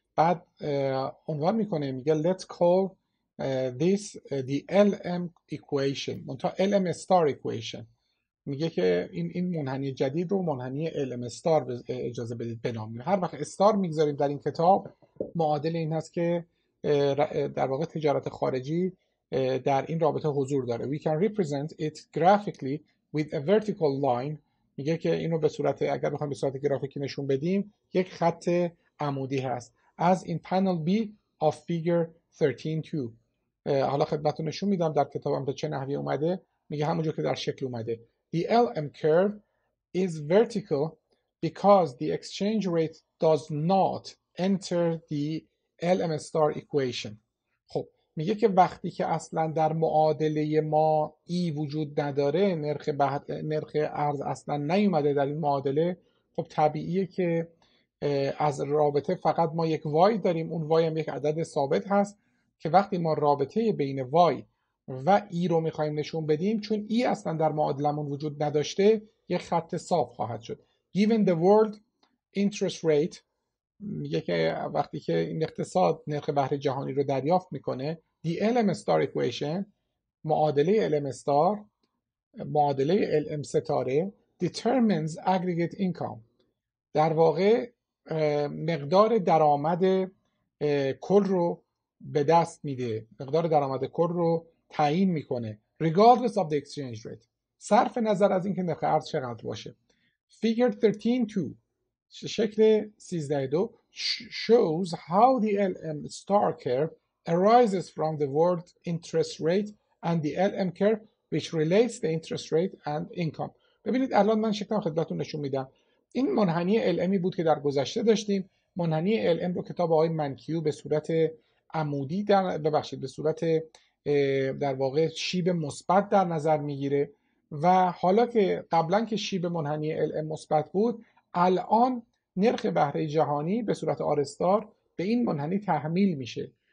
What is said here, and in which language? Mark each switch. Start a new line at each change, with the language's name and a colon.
Persian: بعد عنوان میکنه، میگه
English: let's call this the LM equation،
Persian: منتها LM star equation. میگه که این منحنی جدید رو منحنی LM star اجازه بدید بنامیم. هر وقت star میگذاریم در این کتاب، معادل این هست که در واقع تجارت خارجی در این رابطه حضور داره.
English: We can represent it graphically with a vertical line.
Persian: میگه که اینو به صورت، اگر بخوایم به صورت گرافیکی نشون بدیم، یک خط عمودی هست.
English: As in panel B of figure 13.2.
Persian: حالا خدمتتون نشون میدم در کتابم به چه نحوی اومده. میگه همونجور که در شکل اومده.
English: The LM curve is vertical because the exchange rate does not enter the LM star equation.
Persian: خب میگه که وقتی که اصلا در معادله ما E وجود نداره، نرخ ارز اصلا نیومده در این معادله، خب طبیعیه که از رابطه فقط ما یک وای داریم. اون وای هم یک عدد ثابت هست که وقتی ما رابطه بین وای و ای رو میخواییم نشون بدیم، چون ای اصلا در معادلمون وجود نداشته، یک خط صاف خواهد شد.
English: Given the world interest rate،
Persian: میگه که وقتی که این اقتصاد نرخ بهره جهانی رو دریافت میکنه،
English: the LM star equation،
Persian: معادله LM star، معادله LM ستاره،
English: determines aggregate income،
Persian: در واقع مقدار درآمد کل رو به دست میده، مقدار درآمد کل رو تعیین میکنه.
English: Regardless of the exchange rate،
Persian: صرف نظر از اینکه نرخ ارز چقدر باشه.
English: Figure 13.2،
Persian: شکل 13.2
English: shows how the LM star curve arises from the world interest rate and the LM curve which relates the interest rate and income.
Persian: ببینید الان من شکل خدمتتون نشون میدم. این منحنی LMی بود که در گذشته داشتیم. منحنی LM رو کتاب آقای منکیو به صورت عمودی به صورت در واقع شیب مثبت در نظر میگیره، و حالا که قبلا که شیب منحنی LM مثبت بود، الان نرخ بهره جهانی به صورت آرستار به این منحنی تحمیل میشه.